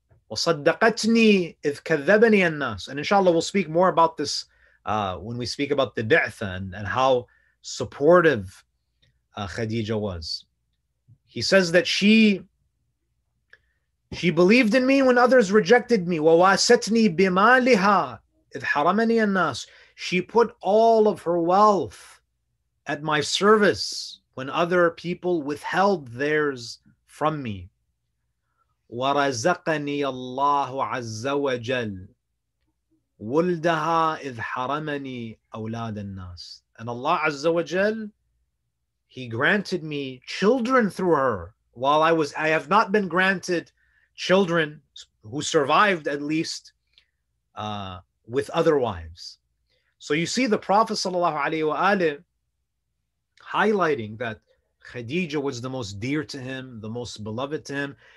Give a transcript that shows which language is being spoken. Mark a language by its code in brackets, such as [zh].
[ar] وصدقتني إذ كذبني الناس. [en] And inshallah we'll speak more about this when we speak about the بعثة and how supportive Khadija was. He says that she believed in me when others rejected me. [ar] وواستني بمالها إذ حرمني الناس. [en] She put all of her wealth at my service when other people withheld theirs from me. [ar] ورزقني الله عز وجل ولدها إذ حرمني أولاد الناس. [en] And Allah عز وجل, He granted me children through her while I have not been granted children who survived at least with other wives. So you see the Prophet sallallahu alaihi wa alihi highlighting that Khadija was the most dear to him, the most beloved to him.